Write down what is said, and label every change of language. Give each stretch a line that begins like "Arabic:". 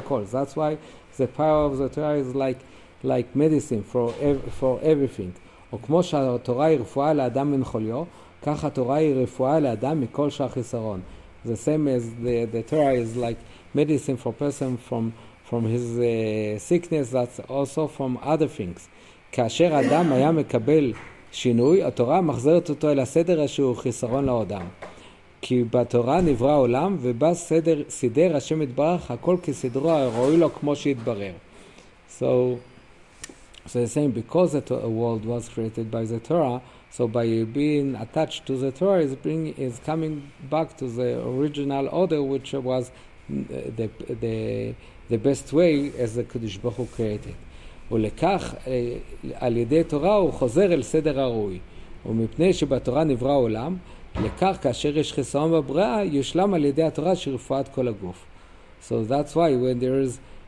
English: That's why the power of the Torah is like medicine for everything.
Hebrew: או כמו שהתורה היא רפואה לאדם מן חוליו, כך התורה היא רפואה לאדם מכל שאר חיסרון.
English: The same as the Torah is like medicine for person from his sickness, that's also from other things.
Hebrew: כאשר אדם היה מקבל שינוי, התורה מחזרת אותו אל הסדר שהוא חיסרון לאדם. כי בתורה נברא עולם, ובא סדר, סידר השם יתברך, הכל כסדרו הראוי לו כמו שהתברר.
English: So, so they're saying, because the world was created by the Torah, so by being attached to the Torah, is coming back to the original order, which was the best way as the Kodesh Baruch Hu created.
Hebrew: ולכך, על ידי תורה, הוא חוזר אל סדר הראוי. ומפני שבתורה נברא עולם, לכך כאשר יש חיסון בבריאה, יושלם על ידי התורה שרפואת כל הגוף.
English: So that's why when there is